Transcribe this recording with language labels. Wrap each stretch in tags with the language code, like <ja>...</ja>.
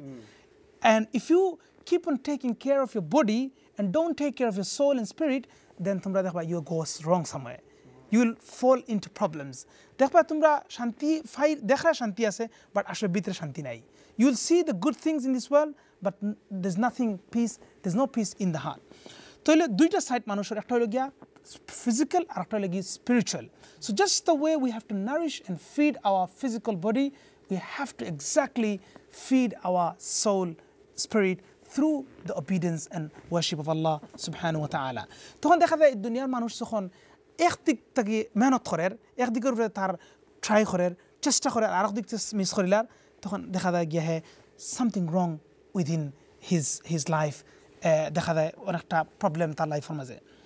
<en>and if you keep on taking care of your body and don't take care of your soul and spirit,</en> <syl>দেন তোমরা দেখবা</syl> <en>You goes wrong সময়ে, you will fall into problems.</en> <syl>দেখবা তোমরা শান্তি ফাই দেখরা শান্তি আছে, বাট আসলে ভিতরে শান্তি নাই.</syl> <en>You will see the good things in this world, but there is nothing peace, there is no peace in the heart.</en> <syl>তাহলে দুইটা সাইড মানুষের, একটা হলো গিয়া physical, after all, spiritual.</syl> <en>So just the way we have to nourish and feed our physical body, we have to exactly feed our soul, spirit, through the obedience and worship of Allah subhanahu wa ta'ala.</en> <syl>তখন দেখা যায় দুনিয়ার মানুষ যখন একদিক থেকে মেহনত করে, একদিকের উপরে তার ট্রাই করে, চেষ্টা করে, আরেক দিক থেকে মিস করিলার, তখন দেখা যায় গিয়ে</syl> <en>something wrong within his life,</en> <syl>দেখা যায় অনেকটা প্রবলেম তার লাইফের মাঝে.</syl>